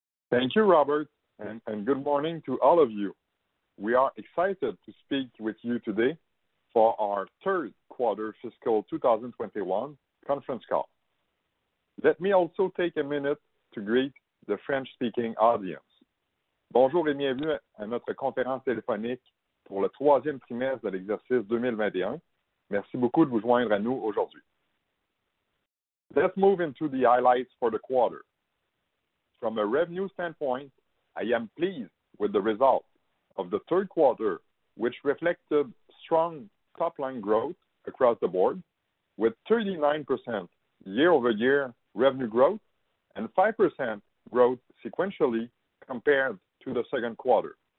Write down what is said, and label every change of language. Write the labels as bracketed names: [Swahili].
[English] Thank you, Robert, and good morning to all of you. We are excited to speak with you today for our third quarter fiscal 2021 conference call. Let me also take a minute to greet the French-speaking audience. [French] Bonjour et bienvenue à notre conférence téléphonique pour le troisième trimestre de l'exercice 2021. Merci beaucoup de vous joindre à nous aujourd'hui. [English] Let's move into the highlights for the quarter. From a revenue standpoint, I am pleased with the result of the third quarter, which reflected strong top-line growth across the board, with 39% year-over-year revenue growth and 5% growth sequentially compared to the second quarter.